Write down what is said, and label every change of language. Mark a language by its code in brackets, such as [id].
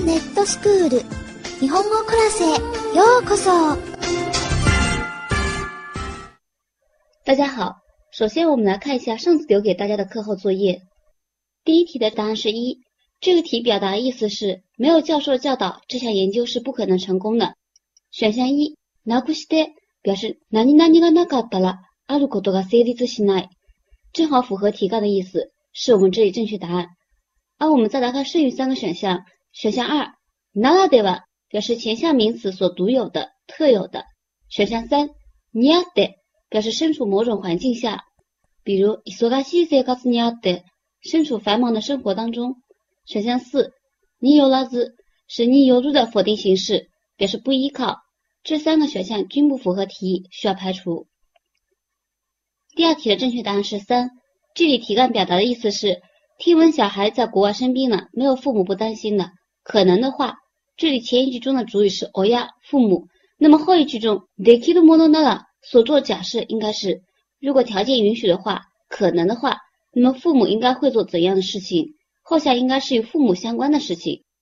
[ja] ットスクール日本語クラスへようこそ。 [zh] 大家好，首先我们来看一下上次留给大家的课后作业。第一题的答案是一，这个题表达的意思是没有教授教导，这项研究是不可能成功的。选项一，なくして表示 [ja] 何々がなかったらあることが成立しない， [zh] 正好符合题干的意思，是我们这里正确答案。而我们再来看剩余三个选项，选项二，ならでは表示前项名词所独有的、特有的。选项三，にあって表示身处某种环境下，比如 [ja] 忙しい生活にあって [zh] 身处繁忙的生活当中。选项四，によらず是による的否定形式，表示不依靠。这三个选项均不符合题意，需要排除。第二题的正确答案是三，这里题干表达的意思是听闻小孩在国外生病了，没有父母不担心的，可能的话，这里前一句中的主语是親や父母，那么后一句中できるものなら所做假设应该是如果条件允许的话，可能的话，那么父母应该会做怎样的事情，后下应该是与父母相关的事情。